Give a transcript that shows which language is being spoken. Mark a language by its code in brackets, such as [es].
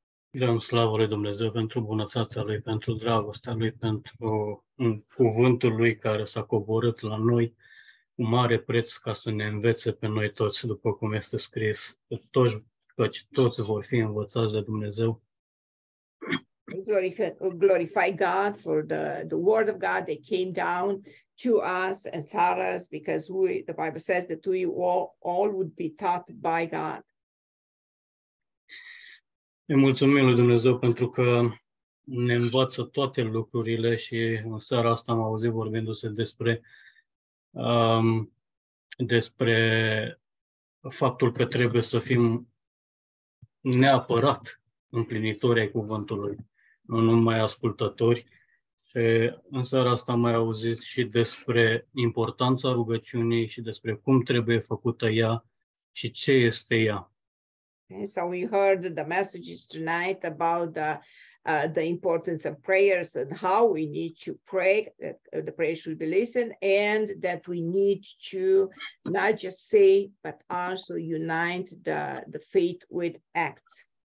[ro] Dăm slavă lui Dumnezeu pentru bunătatea Lui, pentru dragostea Lui, pentru cuvântul Lui care s-a coborât la noi cu mare preț ca să ne învețe pe noi toți, după cum este scris, căci toți vor fi învățați de Dumnezeu. [en] Glorify God for the word of God that came down to us and taught us, because the Bible says that we all would be taught by God. [ro] Îi mulțumim lui Dumnezeu pentru că ne învață toate lucrurile și în seara asta am auzit vorbindu-se despre faptul că trebuie să fim neapărat împlinitori ai cuvântului, nu numai ascultători. Și în seara asta am mai auzit și despre importanța rugăciunii și despre cum trebuie făcută ea și ce este ea. [en] And so we heard the messages tonight about the importance of prayers and how we need to pray, that the prayer should be listened, and that we need to not just say, but also unite the faith with acts.